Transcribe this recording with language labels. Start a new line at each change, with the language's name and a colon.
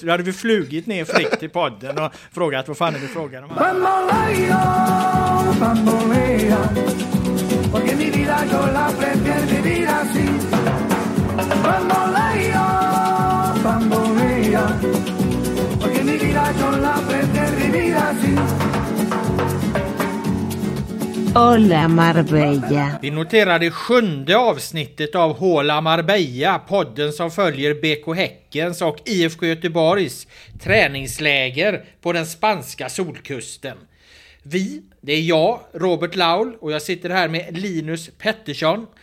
Swedish: Då hade vi flugit ner Frick till podden och frågat vad fan är det frågan om.
Spanish: Bambolea, bambolea. Porque mi vida yo la prefiero vivir así. Bambolea, bambolea. Porque mi vida yo la prefiero vivir así. Hola Marbella.
Swedish: Vi noterar det sjunde avsnittet av Hola Marbella, podden som följer BK Häckens och IFK Göteborgs träningsläger på den spanska solkusten. Vi, det är jag, Robert Laul, och jag sitter här med Linus Pettersson.